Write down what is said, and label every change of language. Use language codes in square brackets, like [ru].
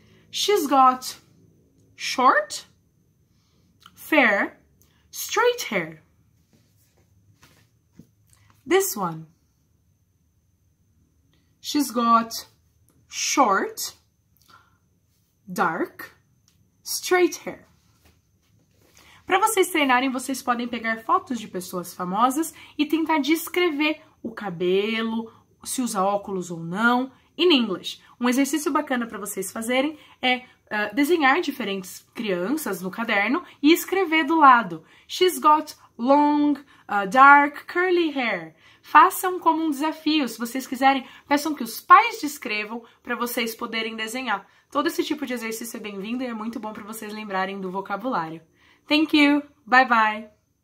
[en] She's got short, fair, straight hair. This one. She's got short, dark, straight hair. [pt] Para vocês treinarem, vocês podem pegar fotos de pessoas famosas e tentar descrever o cabelo, se usa óculos ou não, in English. Um exercício bacana para vocês fazerem é desenhar diferentes crianças no caderno e escrever do lado. [en] She's got long, dark, curly hair. [pt] Façam como um desafio. Se vocês quiserem, peçam que os pais descrevam para vocês poderem desenhar. Todo esse tipo de exercício é bem-vindo e é muito bom para vocês lembrarem do vocabulário. Thank you. Bye-bye.